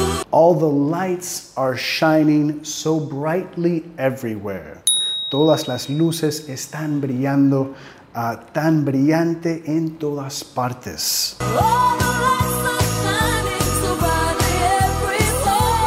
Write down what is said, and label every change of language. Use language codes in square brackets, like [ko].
[en] All the lights are shining so brightly everywhere. [es] Todas las luces están brillando tan brillante en todas partes. [en] All the lights are shining so brightly everywhere.